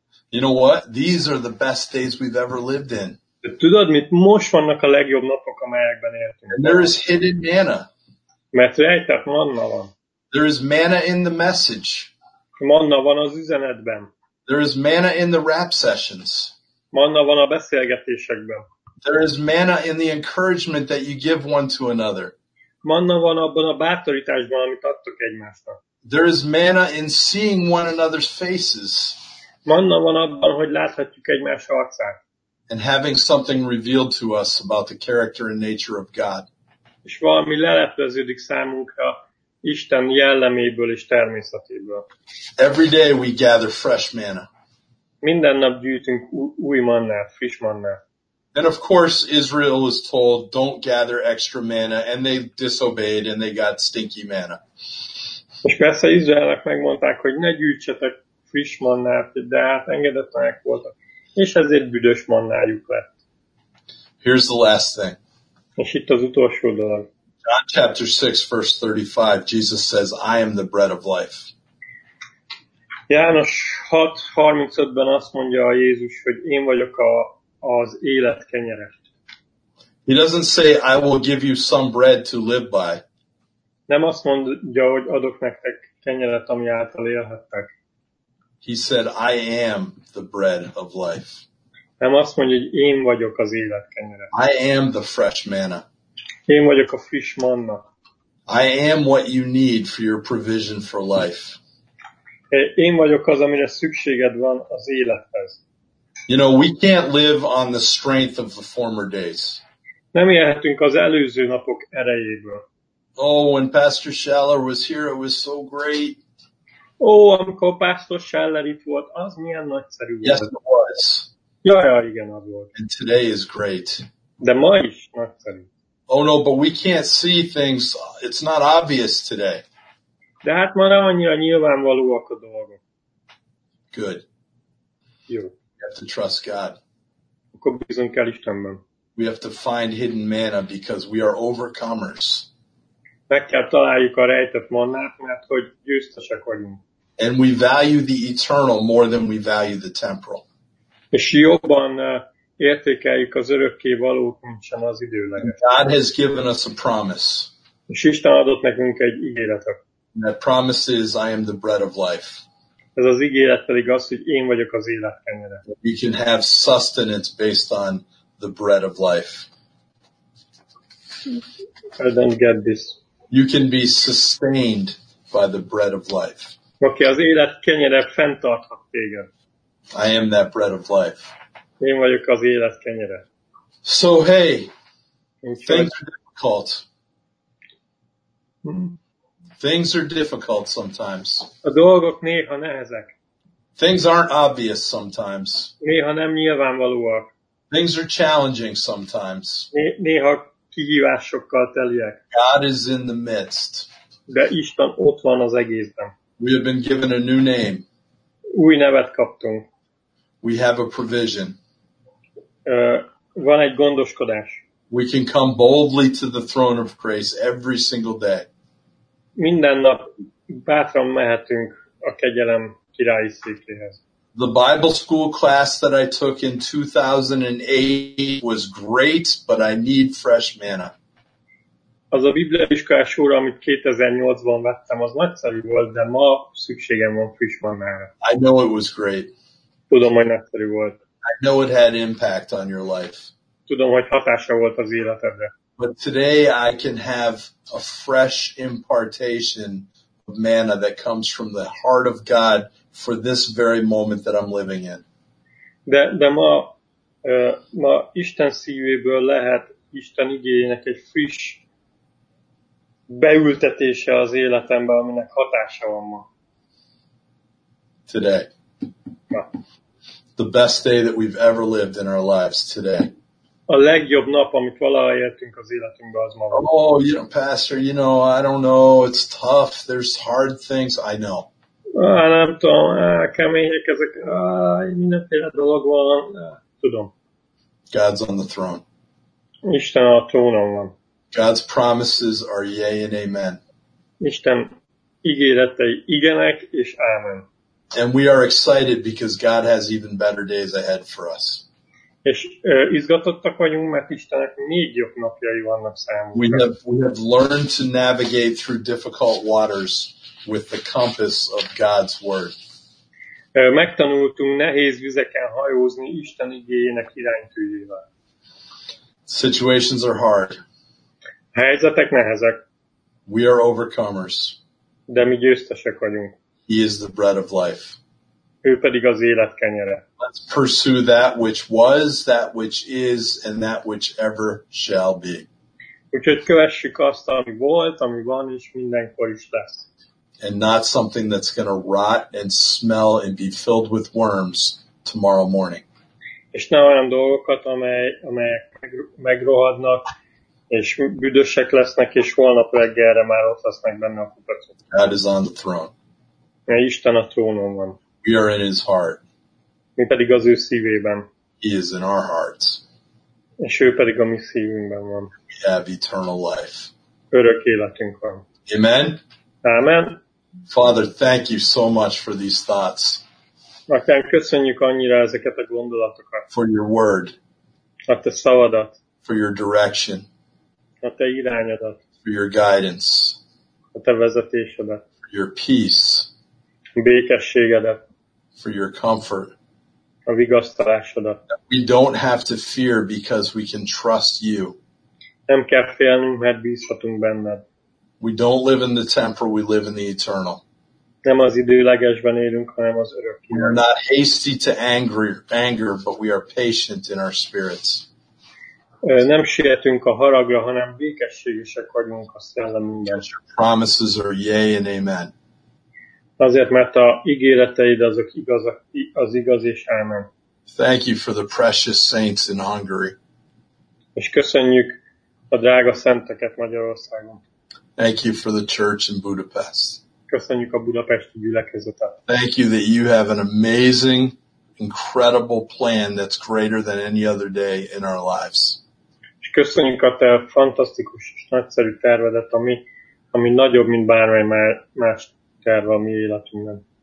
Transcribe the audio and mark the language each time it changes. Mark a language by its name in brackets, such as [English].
[English] You know what? These are the best days we've ever lived in. [Hungarian] De tudod mit? Most vannak a legjobb napok, amelyekben éltünk. [English] And there is hidden manna. [Hungarian] Mert rejtett manna van. [English] There is manna in the message. [Hungarian] Manna van az üzenetben. [English] There is manna in the rap sessions. [Hungarian] Manna van a beszélgetésekben. [English] There is manna in the encouragement that you give one to another. [Hungarian] Manna van abban a bátorításban, amit adtok egymásnak. [English] There is manna in seeing one another's faces. [Hungarian] Manna van abban, hogy láthatjuk egymás arcát. [English] And having something revealed to us about the character and nature of God. [Hungarian] És valami lelepleződik számunkra Isten jelleméből és természetéből. [English] Every day we gather fresh manna. [Hungarian] Minden nap gyűjtünk új mannát, friss mannát. [English] And of course Israel was told, don't gather extra manna, and they disobeyed and they got stinky manna. [Hungarian] És persze Izraelnek megmondták, hogy ne gyűjtsetek friss mannát, de hát engedetlenek voltak. És ezért büdös mannájuk lett. [English] Here's the last thing. [Hungarian] És itt az utolsó dolog. [English] John chapter 6, verse 35, Jesus says, I am the bread of life. [Hungarian] János 6:35-ben azt mondja a Jézus, hogy én vagyok az élet kenyere. [English] He doesn't say, I will give you some bread to live by. [Hungarian] Nem azt mondja, hogy adok nektek kenyeret, ami által élhettek. [English] He said, I am the bread of life. [Hungarian] Nem azt mondja, hogy én vagyok az élet kenyere. [English] I am the fresh manna. [Hungarian] Én vagyok a friss manna. [English] I am what you need for your provision for life. [Hungarian] Én vagyok az, amire szükséged van az élethez. [English] You know, we can't live on the strength of the former days. [Hungarian] Nem élhetünk az előző napok erejéből. [English] Oh, when Pastor Schaller was here, it was so great. [Hungarian] Oh, amikor Pastor Schaller itt volt, az milyen nagyszerű volt. [English] Yes, it was. [Hungarian] Ja, igen, az volt. [English] And today is great. [Hungarian] De ma is nagyszerű. [English] Oh no, but we can't see things. It's not obvious today. [Hungarian] De hát ma nem annyira nyilvánvalóak a dolgok. [English] Good. [Hungarian] Jó. [English] You have to trust God. [Hungarian] Akkor bízunk el Istenben. [English] We have to find hidden manna because we are overcomers. [Hungarian] Meg kell találjuk a rejtett mannát, mert hogy győztesek vagyunk. [English] And we value the eternal more than we value the temporal. [Hungarian] És jobban értékeljük az örökké valót, mint sem az időleges. [English] God has given us a promise. [Hungarian] És Isten adott nekünk egy ígéretet. [English] That promise is, I am the bread of life. [Hungarian] Ez az ígéret pedig az, hogy én vagyok az élet kenyere. [English] We can have sustenance based on the bread of life. I don't get this. You can be sustained by the bread of life. [Hungarian] Okay, az élet kenyere fenntarthat téged. [English] I am that bread of life. [Hungarian] Én vagyok az élet kenyere. [English] So hey, things are difficult. Things are difficult sometimes. [Hungarian] A dolgok néha nehezek. [English] Things aren't obvious sometimes. [Hungarian] Néha nem nyilvánvalóak. [English] Things are challenging sometimes. [Hungarian] Néha kihívásokkal teliek. [English] God is in the midst. [Hungarian] De Isten ott van az egészben. [English] We have been given a new name. [Hungarian] Új nevet kaptunk. [English] We have a provision. [Hungarian] Van egy gondoskodás. [English] We can come boldly to the throne of grace every single day. [Hungarian] Minden nap bátran mehetünk a kegyelem királyi székéhez. [English] The Bible school class that I took in 2008 was great, but I need fresh manna. [Hungarian] Az a bibliaiskolás óra, amit 2008-ban vettem, az nagyszerű volt, de ma szükségem van friss mannára. [English] I know it was great. [Hungarian] Tudom, hogy nagyszerű volt. [English] I know it had impact on your life. [Hungarian] Tudom, hogy hatása volt az életedre. [English] But today I can have a fresh impartation of manna that comes from the heart of God for this very moment that I'm living in. [Hungarian] De ma Isten szívéből lehet Isten igényének egy friss beültetése az életembe, aminek hatása van ma. [English] Today. [Hungarian] Ma. [English] The best day that we've ever lived in our lives today. [Hungarian] A legjobb nap, amit valaha éltünk az életünkben, az maga. [English] Oh, you know, pastor, you know, I don't know, it's tough, there's hard things, I know. [Hungarian] Nem tudom, kemények ezek, mindenféle dolog van, tudom. [English] God's on the throne. [Hungarian] Isten a trónon van. [English] God's promises are yea and amen. [Hungarian] Isten ígéretei igenek és ámen. [English] And we are excited because God has even better days ahead for us. [Hungarian] És izgatottak vagyunk, mert Istennek még jobb napjai vannak számunkra. [English] We have learned to navigate through difficult waters with the compass of God's word. [Hungarian] Megtanultunk nehéz vizeken hajózni Isten igéjének iránytűjével. [English] Situations are hard. [Hungarian] Helyzetek nehezek. [English] We are overcomers. [Hungarian] De mi győztesek vagyunk. [English] He is the bread of life. [Hungarian] Ő pedig az élet kenyere. [English] Let's pursue that which was, that which is, and that which ever shall be. [Hungarian] Úgyhogy kövessük azt, ami volt, ami van, és mindenkor is lesz. [English] And not something that's going to rot and smell and be filled with worms tomorrow morning. [Hungarian] És ne olyan dolgokat, amelyek megrohadnak, és büdösek lesznek, és holnap reggelre már ott lesznek benne a kupacok. [English] God is on the throne. [Hungarian] Mert Isten a trónon van. [English] We are in his heart. [Hungarian] Mi pedig az ő szívében. [English] He is in our hearts. [Hungarian] És ő pedig a mi szívünkben van. [English] We have eternal life. [Hungarian] Örök életünk van. [English] Amen. [Hungarian] Amen. [English] Father, thank you so much for these thoughts. [Hungarian] Atyám, köszönjük annyira ezeket a gondolatokat. [English] For your word. [Hungarian] A te szavadat. [English] For your direction. [Hungarian] A te irányadat. [English] For your guidance. [Hungarian] A te vezetésedet. [English] For your peace. [Hungarian] Békességedet. [English] For your comfort. [Hungarian] A vigasztalásodat. [English] We don't have to fear because we can trust you. [Hungarian] Nem kell félnünk, mert bízhatunk benned. [English] We don't live in the temporal, we live in the eternal. [Hungarian] Nem az időlegesben élünk, hanem az örökké. [English] We are not hasty to anger, but we are patient in our spirits. [Hungarian] Nem sietünk a haragra, hanem békességesek vagyunk a szellemünkben. [English] Your promises are yea and amen. [Hungarian] Azért, mert a ígéreteid azok igazak, az igaz és ámen. [English] Thank you for the precious saints in Hungary. [Hungarian] És köszönjük a drága szenteket Magyarországon. [English] Thank you for the church in Budapest. [Hungarian] Köszönjük a budapesti gyülekezetet. [English] Thank you that you have an amazing, incredible plan that's greater than any other day in our lives. [Hungarian] köszönjük a te fantasztikus és nagyszerű tervedet, ami nagyobb, mint bármely más terve a mi életünkben.